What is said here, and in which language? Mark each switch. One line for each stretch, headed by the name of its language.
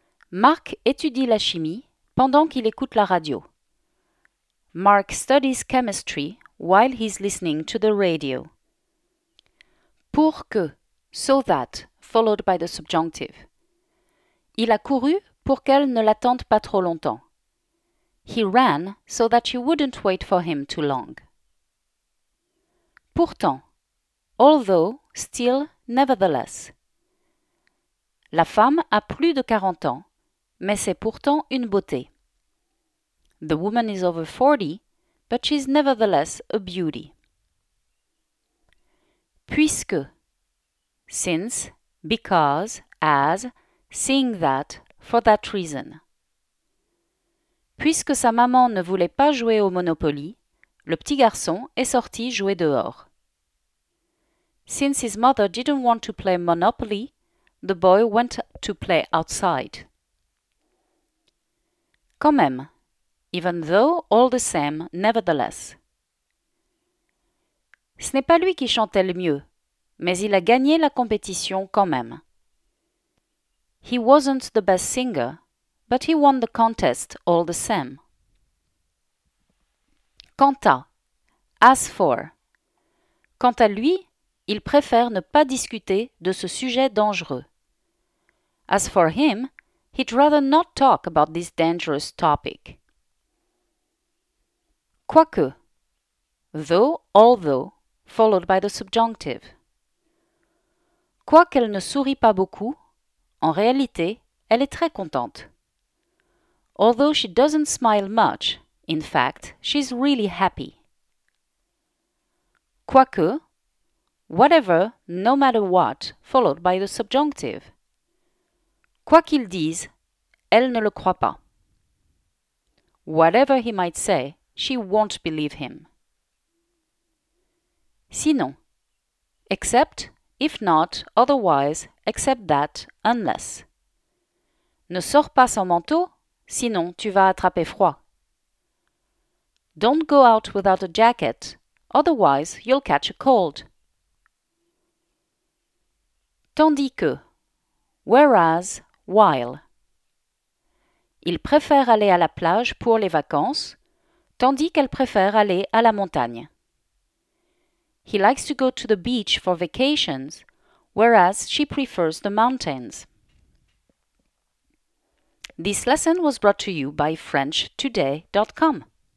French: Mark étudie la chimie pendant qu'il écoute la radio.
English: Mark studies chemistry while he's listening to the radio.
French: Pour que,
English: so that, followed by the subjunctive.
French: Il a couru pour qu'elle ne l'attende pas trop longtemps.
English: He ran so that she wouldn't wait for him too long. Pourtant, although, still, nevertheless.
French: La femme a plus de 40 ans, mais c'est pourtant une beauté.
English: The woman is over 40, but she's nevertheless a beauty. Puisque, since, because, as, seeing that, for that reason.
French: Puisque sa maman ne voulait pas jouer au Monopoly, le petit garçon est sorti jouer dehors.
English: Since his mother didn't want to play Monopoly, the boy went to play outside.
French: Quand même,
English: even though, all the same, nevertheless.
French: Ce n'est pas lui qui chantait le mieux, mais il a gagné la compétition quand même.
English: He wasn't the best singer, but he won the contest all the same.
French: Quant à,
English: as for.
French: Quant à lui, il préfère ne pas discuter de ce sujet dangereux.
English: As for him, he'd rather not talk about this dangerous topic. Quoique, though, although, followed by the subjunctive.
French: Quoiqu'elle ne sourit pas beaucoup, en réalité, elle est très contente.
English: Although she doesn't smile much, in fact, she's really happy. Quoique, whatever, no matter what, followed by the subjunctive.
French: Quoi qu'il dise, elle ne le croit pas.
English: Whatever he might say, she won't believe him. Sinon, except, if not, otherwise, except that, unless.
French: Ne sors pas sans manteau, sinon tu vas attraper froid.
English: Don't go out without a jacket, otherwise you'll catch a cold.
French: Tandis que,
English: whereas, while.
French: Il préfère aller à la plage pour les vacances, tandis qu'elle préfère aller à la montagne.
English: He likes to go to the beach for vacations, whereas she prefers the mountains. This lesson was brought to you by FrenchToday.com.